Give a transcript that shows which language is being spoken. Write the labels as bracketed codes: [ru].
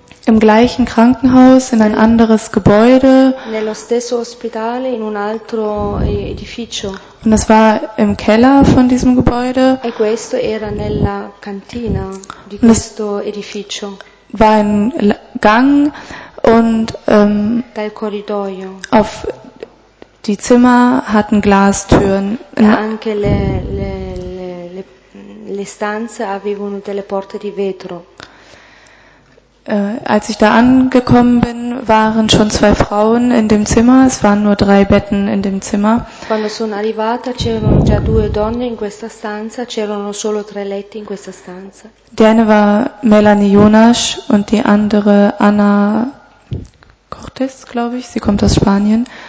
[de] Im gleichen Krankenhaus in ein anderes Gebäude. [it] Nello stesso ospedale in un altro edificio. [de] Und das war im Keller von diesem Gebäude. [it] E questo era nella cantina di questo edificio. [de] War ein Gang und [it] dal corridoio. [de] Auf die Zimmer hatten Glastüren. [it] Anche le stanze avevano delle porte di vetro. [de] Als ich da angekommen bin, waren schon zwei Frauen in dem Zimmer. Es waren nur drei Betten in dem Zimmer. [it] Quando sono arrivata c'erano già due donne in questa stanza, c'erano solo tre letti in questa stanza. [de] Die eine war Melanie Jonas und die andere Anna Cortes, glaube ich. Sie kommt aus Spanien.